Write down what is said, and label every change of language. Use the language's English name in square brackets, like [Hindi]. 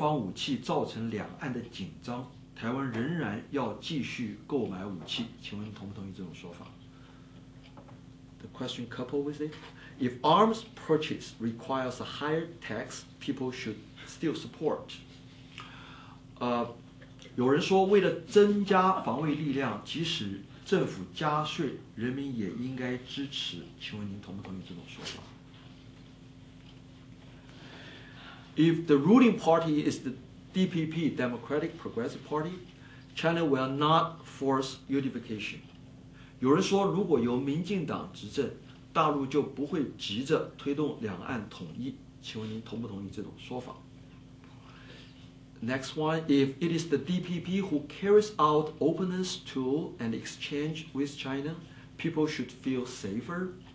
[Chinese] 有人说,就算增购国防武器造成两岸的紧张, 台湾仍然要继续购买武器, 请问同不同意这种说法? [English] The question coupled with it, if arms purchase requires a higher tax, people should still support. [Chinese] 有人说,为了增加防卫力量,即使政府加税, 人民也应该支持, 请问您同不同意这种说法? [English] If the ruling party is the DPP, Democratic Progressive Party, China will not force unification. [Chinese] 有人说,如果由民进党执政, 大陆就不会急着推动两岸统一, 请问您同不同意这种说法? [English] Next one, if it is the DPP who carries out openness to and exchange with China, people should feel safer.